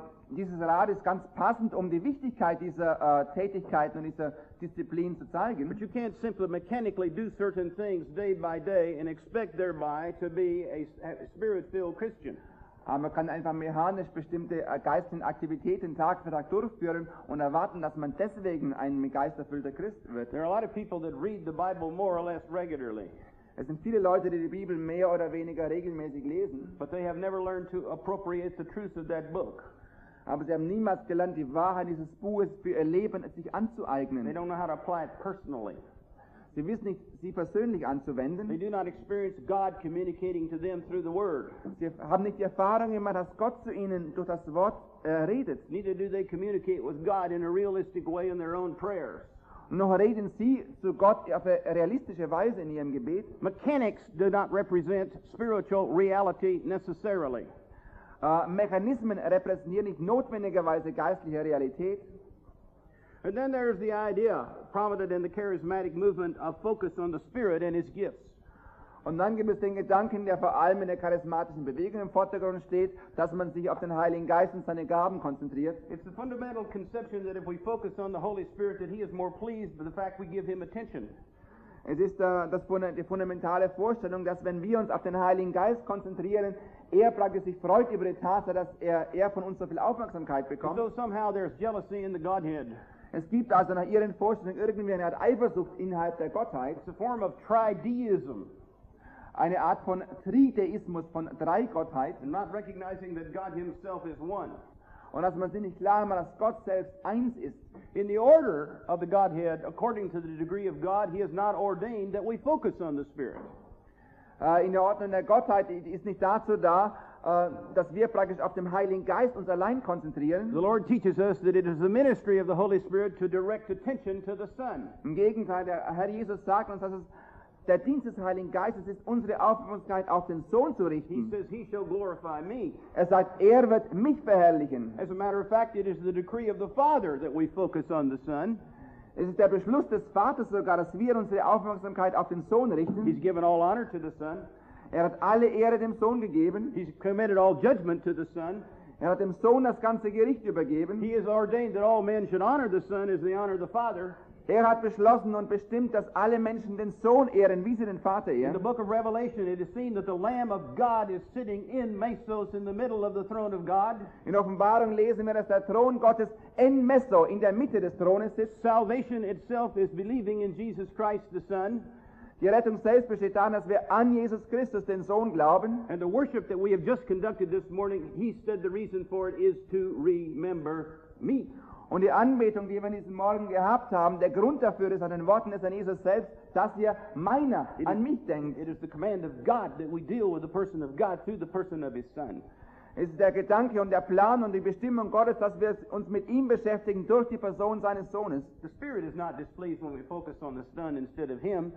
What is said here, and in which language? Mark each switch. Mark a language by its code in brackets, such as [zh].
[de] Dieses Rad ist ganz passend, um die Wichtigkeit dieser Tätigkeiten und dieser Disziplin zu zeigen. [en] But you can't simply mechanically do certain things day by day and expect thereby to be a spirit-filled Christian. [de] Aber man kann einfach mechanisch bestimmte geistigen Aktivitäten Tag für Tag durchführen und erwarten, dass man deswegen ein geisterfüllter Christ wird. [en] There are a lot of people that read the Bible more or less regularly. [de] Es sind viele Leute, die Bibel mehr oder weniger regelmäßig lesen. [en] But they have never learned to appropriate the truth of that book. [de] Aber sie haben niemals gelernt, die Wahrheit dieses Buches für ihr Leben sich anzueignen. [en] They don't know how to apply it personally. [de] Sie wissen nicht, sie persönlich anzuwenden. [en] They do not experience God communicating to them through the Word. [de] Sie haben nicht die Erfahrung gemacht, dass Gott zu ihnen durch das Wort redet. [en] Neither do they communicate with God in a realistic way in their own prayers. [de] Noch reden sie zu Gott auf eine realistische Weise in ihrem Gebet. [en] Mechanics do not represent spiritual reality necessarily. [de] Mechanismen repräsentieren nicht notwendigerweise geistliche Realität. [en] And then there's the idea prominent in the charismatic movement of focus on the Spirit and His gifts. [de] Und dann gibt es den Gedanken, der vor allem in der charismatischen Bewegung im Vordergrund steht, dass man sich auf den Heiligen Geist und seine Gaben konzentriert. [en] It's the fundamental conception that if we focus on the Holy Spirit, that He is more pleased by the fact we give Him attention. [de] Es ist die fundamentale Vorstellung, dass wenn wir uns auf den Heiligen Geist konzentrieren, er praktisch sich freut über die Tatsache, dass er von uns so viel Aufmerksamkeit bekommt. [en] So somehow there's jealousy in the Godhead. [de] Es gibt also nach ihren Vorstellungen irgendwie eine Art Eifersucht innerhalb der Gottheit. [en] It's a form of trideism. [de] Eine Art von Trideismus, von Dreigottheit. [en] And not recognizing that God himself is one. [de] Und dass man sich nicht klar macht, dass Gott selbst eins ist. [en] In the order of the Godhead, according to the degree of God, he has not ordained that we focus on the Spirit. [de] In der Ordnung der Gottheit ist nicht dazu da, dass wir praktisch auf dem Heiligen Geist uns allein konzentrieren. [en] The Lord teaches us that it is the ministry of the Holy Spirit to direct attention to the Son. [de] Im Gegenteil, der Herr Jesus sagt uns, dass es der Dienst des Heiligen Geistes ist, unsere Aufmerksamkeit auf den Sohn zu richten. [en] He says, he shall glorify me. [de] Er sagt, er wird mich verherrlichen. [en] As a matter of fact, it is the decree of the Father that we focus on the Son. [de] Es ist der Beschluss des Vaters sogar, dass wir unsere Aufmerksamkeit auf den Sohn richten. [en] He's given all honor to the Son. [de] Er hat alle Ehre dem Sohn gegeben. [en] He's committed all judgment to the Son. [de] Er hat dem Sohn das ganze Gericht übergeben. [en] He has ordained that all men should honor the Son as they honor the Father. [de] Er hat beschlossen und bestimmt, dass alle Menschen den Sohn ehren, wie sie den Vater ehren. [en] In the book of Revelation, it is seen that the Lamb of God is sitting in Mesos in the middle of the throne of God. [de] In Offenbarung lesen wir, dass der Thron Gottes in Meso, in der Mitte des Thrones sitzt. [en] Salvation itself is believing in Jesus Christ the Son. [de] Die Rettung selbst besteht darin, dass wir an Jesus Christus, den Sohn, glauben. [en] And the worship that we have just conducted this morning, he said the reason for it is to remember me. [de] Und die Anbetung, die wir diesen Morgen gehabt haben, der Grund dafür ist, an den Worten des Herrn Jesus selbst, dass ihr meiner an mich denkt. [en] It is the command of God that we deal with the person of God through the person of his Son. [de] Es ist der Gedanke und der Plan und die Bestimmung Gottes, dass wir uns mit ihm beschäftigen durch die Person seines Sohnes. [en] The Spirit is not displeased when we focus on the Son instead of him.